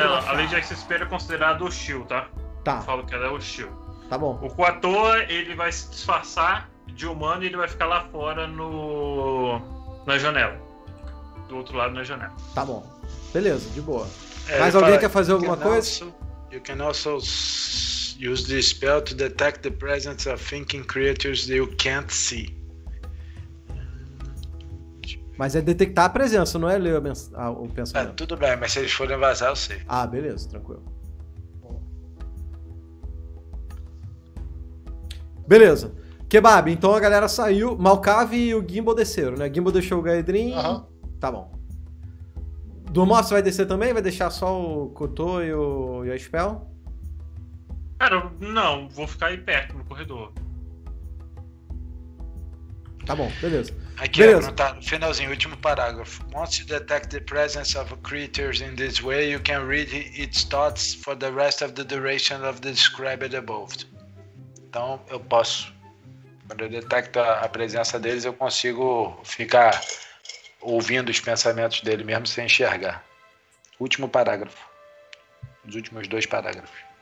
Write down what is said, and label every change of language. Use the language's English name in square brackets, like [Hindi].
[Portuguese] A Lady Axe Spear é considerada hostil, tá? Tá. Eu falo que ela é hostil. Tá bom. O Quator, ele vai se disfarçar de humano e ele vai ficar lá fora no... na janela. Do outro lado na janela. Tá bom. Beleza, de boa. Mais alguém quer fazer alguma coisa? [English] You can also use this spell to detect the presence of thinking creatures you can't see. [Portuguese] Mas é detectar a presença, não é ler o pensamento. É, tudo bem, mas se eles forem vazar, eu sei. Ah, beleza, tranquilo. Beleza. Kebab, então a galera saiu. Malkav e o Gimbal desceram, né? Gimbal deixou o Gaedrin. Aham. Uhum. Tá bom. Dormoff, você vai descer também? Vai deixar só o Kotô e a Spell? Cara, não. Vou ficar aí perto, no corredor. Tá bom, beleza. Aqui, tá no finalzinho, último parágrafo. [English] Once you detect the presence of creatures in this way, you can read its thoughts for the rest of the duration of the described above. [Portuguese] Então, eu posso. Quando eu detecto a presença deles, eu consigo ficar ouvindo os pensamentos dele, mesmo sem enxergar. Último parágrafo. nos últimos dois parágrafos.